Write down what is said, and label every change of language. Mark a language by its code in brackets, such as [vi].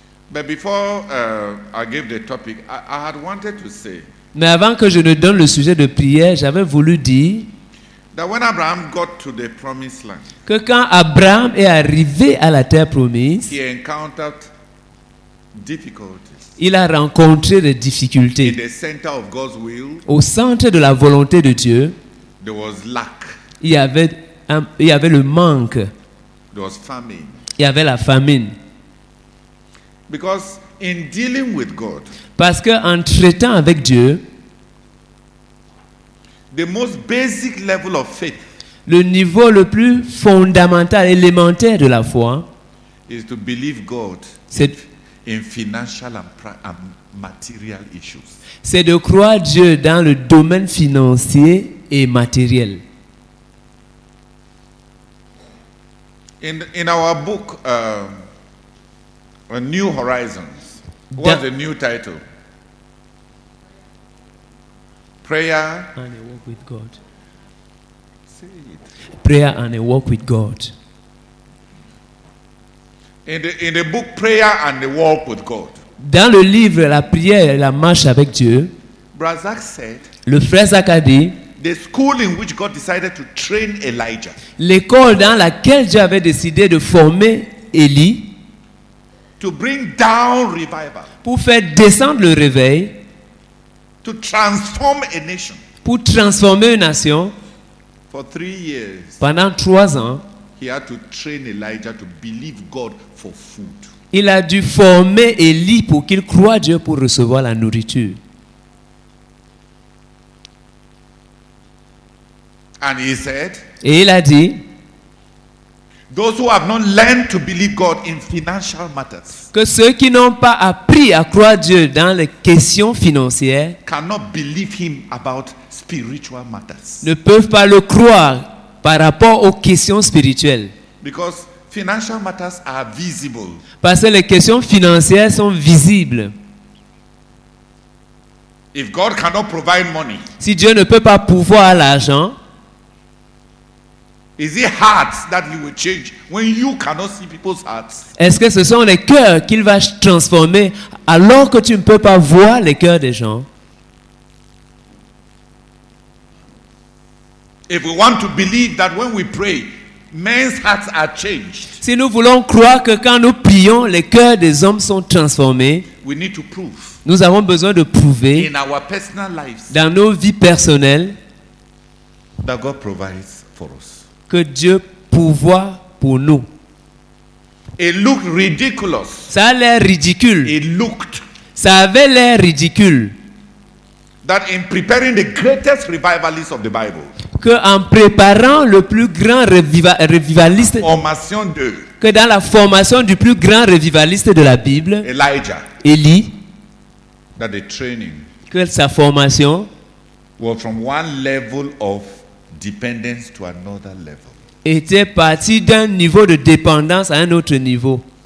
[en] But before I gave the topic, I had wanted to say. [fr] Mais avant que je ne donne le sujet de prière, j'avais voulu dire [en] that when Abraham got to the promised land, [fr] que quand Abraham est arrivé à la terre promise, [en] he encountered difficulties. [fr] Il a rencontré des difficultés. [en] In the center of God's will, [fr] au centre de la volonté de Dieu, [en] there was lack. [fr] Il y avait le manque. [en] There was famine. [fr] Il y avait la famine. [en] Because in dealing with God, [fr] parce que en traitant avec Dieu, [en] the most basic level of faith, [fr] le niveau le plus fondamental, élémentaire de la foi, [en] is to believe God, c'est in financial and material issues. [fr] C'est de croire Dieu dans le domaine financier et matériel. [en] In our book, A New Horizons. What's the new title? Prayer and a walk with God. Say it. Prayer and a walk with God. In the book Prayer and a Walk with God. [fr] Dans le livre La prière et la marche avec Dieu. [en] Brazak said. [fr] Le frère Zach a dit. [en] The school in which God decided to train Elijah. [fr] L'école dans laquelle Dieu avait décidé de former Élie. [en] To bring down revival, [fr] pour faire descendre le réveil, [en] to transform a nation, [fr] pour transformer une nation, [en] for 3 years, [fr] pendant 3 ans, [en] he had to train Elijah to believe God for food. [fr] Il a dû former Élie pour qu'il croie Dieu pour recevoir la nourriture. [en] And he said, [fr] et il a dit, [en] those who have not learned to believe God in financial matters, [fr] que ceux qui n'ont pas appris à croire Dieu dans les questions financières, [en] cannot believe him about spiritual matters. [fr] Ne peuvent pas le croire par rapport aux questions spirituelles. [en] Because financial matters are visible. [fr] Parce que les questions financières sont visibles. [en] If God cannot provide money, [fr] si Dieu ne peut pas pourvoir l'argent, [en] is it hearts that he will change when you cannot see people's hearts? [fr] Est-ce que ce sont les cœurs qu'il va transformer alors que tu ne peux pas voir les cœurs des gens? [en] If we want to believe that when we pray, men's hearts are changed. [fr] Si nous voulons croire que quand nous prions, les cœurs des hommes sont transformés, [en] we need to prove. [fr] Nous avons besoin de prouver [en] in our personal lives, [fr] dans nos vies personnelles, [en] that God provides for us. [fr] Que Dieu pourvoie pour nous. [en] It looked ridiculous. [fr] Ça a l'air ridicule. [en] It looked. [fr] Ça avait l'air ridicule. [en] That in preparing the greatest revivalist of the Bible. [fr] Que en préparant le plus grand revivaliste. Formation de. Que dans la formation du plus grand revivaliste de la Bible. [en] Elijah. [fr] Élie. [en] That the training. [fr] Que sa formation. [en] Was from one level of. Dependence to another level. [fr] Était parti d'un niveau de dépendance à un autre niveau.